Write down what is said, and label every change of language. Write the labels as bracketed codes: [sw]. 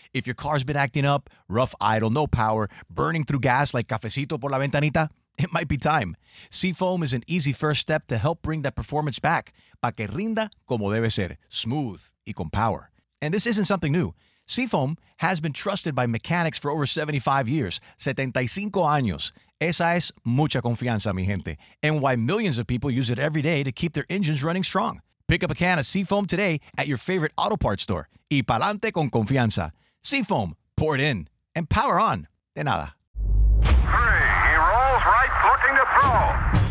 [en] If your car's been acting up, rough idle, no power, burning through gas like [es] cafecito por la ventanita, [en] it might be time. Seafoam is an easy first step to help bring that performance back. [es] Pa' que rinda como debe ser, smooth y con power. [en] And this isn't something new. Seafoam has been trusted by mechanics for over 75 years. [es] 75 años. Esa es mucha confianza, mi gente. [en] And why millions of people use it every day to keep their engines running strong. Pick up a can of Seafoam today at your favorite auto parts store. [es] Y pa'lante con confianza. Seafoam, [en] pour it in. And power on. [es] De nada. [en] Three, he rolls right, looking to throw.